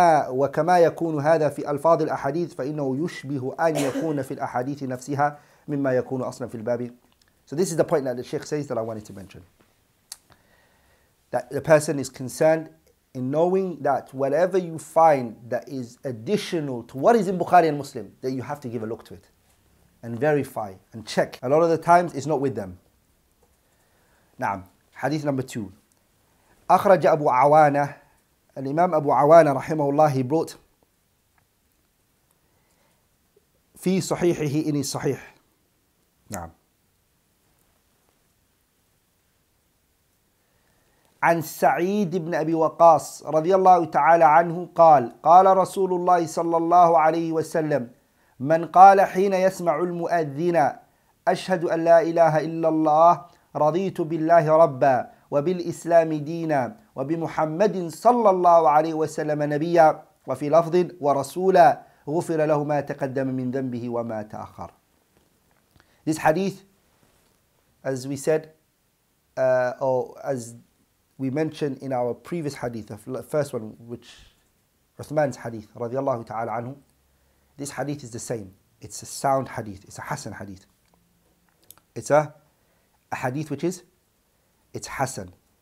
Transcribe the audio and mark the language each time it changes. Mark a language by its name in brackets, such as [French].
[Arabic] وكما يكون هذا في ألفاظ الأحاديث فإنه يشبه أن يكون في الأحاديث نفسها مما يكون أصلا في الباب. [English] So this is the point that the Sheikh says that I wanted to mention. That the person is concerned in knowing that whatever you find that is additional to what is in Bukhari and Muslim, that you have to give a look to it and verify and check. A lot of the times it's not with them. [Arabic] نعم. [English] Hadith number two. [Arabic] أخرج أبو عوانة الإمام أبو عوانة رحمه الله [English] he brought [Arabic] في صحيحه إن الصحيح نعم عن سعيد بن أبي وقاص رضي الله تعالى عنه قال قال رسول الله صلى الله عليه وسلم من قال حين يسمع المؤذن أشهد أن لا إله إلا الله رضيت بالله ربا وبالإسلام دينا وبمحمد صلى الله عليه وسلم نبيا وفي لفظ ورسولا غفر له ما تقدم من ذنبه وما تأخر. [English] This hadith, as we said, or as we mentioned in our previous hadith, the first one, which Uthman's hadith, [Arabic] رضي الله تعالى عنه, [English] this hadith is the same. It's a sound hadith. It's a hasan hadith. It's a hadith which is, it's Hassan.